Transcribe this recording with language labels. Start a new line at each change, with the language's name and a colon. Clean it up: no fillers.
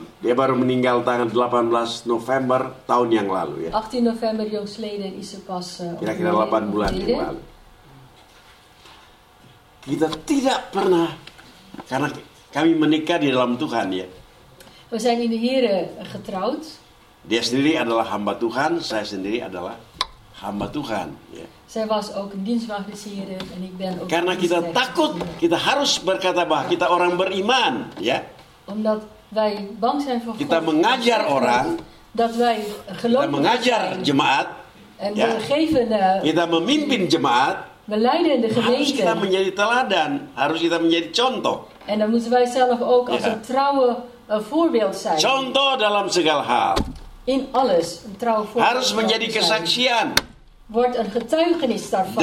Indonesian: Dia baru meninggal tanggal 18 November tahun yang lalu ya.
Dutch: 18 November jongsleden is ze pas
Indonesian: kira-kira 8 bulan yang lalu. Kita tidak pernah karena kami menikah di dalam Tuhan ya.
Dutch: We zijn in de Here getrouwd.
Indonesian: Dia sendiri adalah hamba Tuhan, saya sendiri adalah hamba Tuhan ya.
Dutch: Zij was ook een dienstmaagd des Heren en ik ben ook.
Indonesian: Karena kita takut, kita harus berkata bahwa kita orang beriman ya.
Dutch: Omdat wij bang zijn voor God.
Indonesian: Kita mengajar orang.
Dutch: Dat wij geloven.
Indonesian: Kita mengajar jemaat.
Dutch: En ya. We geven
Indonesian: kita memimpin jemaat.
Dutch: We leiden de gemeente.
Indonesian: Harus kita menjadi teladan, harus kita menjadi contoh.
Dutch: En dan moeten wij zelf ook als een trouwe voorbeeld zijn.
Indonesian: Contoh dalam segala hal.
Dutch: In alles een trouwe voorbeeld.
Indonesian: Harus menjadi kesaksian.
Dutch: Wordt een getuigenis daarvan.